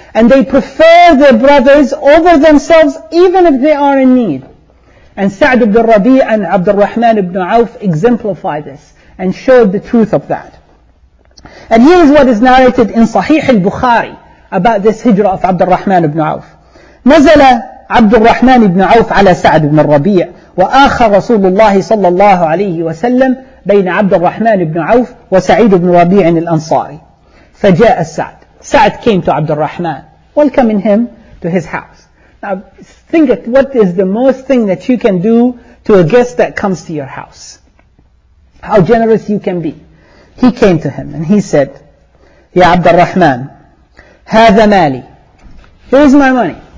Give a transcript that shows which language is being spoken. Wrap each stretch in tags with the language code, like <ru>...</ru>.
<en>And they prefer their brothers over themselves, even if they are in need. And Sa'd ibn al-Rabi' and Abd al-Rahman ibn Auf exemplify this and showed the truth of that. And here is what is narrated in Sahih al-Bukhari about this hijrah of Abd al-Rahman ibn Auf.</en> <ar>نزل عبد الرحمن بن عوف على سعد بن الربيع وآخى رسول الله صلى الله عليه وسلم بين عبد الرحمن بن عوف وسعيد بن ربيع الأنصاري. فجاء السعد.</ar> <en>سعد came to عبد الرحمن. Welcome him to his house. Now think of what is the most thing that you can do to a guest that comes to your house. How generous you can be. He came to him and he said,</en> <ar>يا عبد الرحمن هذا مالي.</ar> <en>Here's my money.</en>